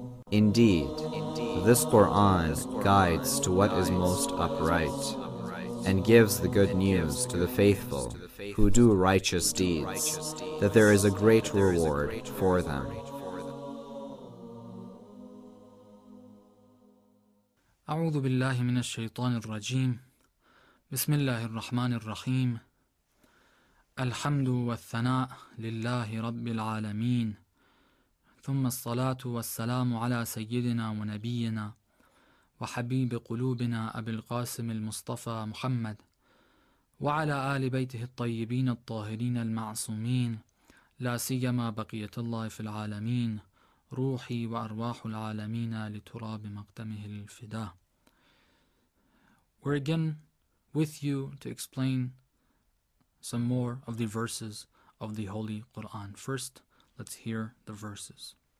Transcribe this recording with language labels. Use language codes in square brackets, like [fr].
[en] Indeed, this Quran guides to what is most upright and gives the good news to the faithful who do righteous deeds, that there is a great reward for them. [ar] أعوذ بالله من الشيطان الرجيم بسم الله الرحمن الرحيم الحمد والثناء لله رب العالمين ثم الصلاة والسلام على سيدنا ونبينا وحبيب قلوبنا أبي القاسم المصطفى محمد وعلى آل بيته الطيبين الطاهرين المعصومين لا سيما بقية الله في العالمين روحي وأرواح العالمين لتراب مقدمه الفداء. [en] We're again with you to explain some more of the verses of the Holy Quran. First, let's hear the verses.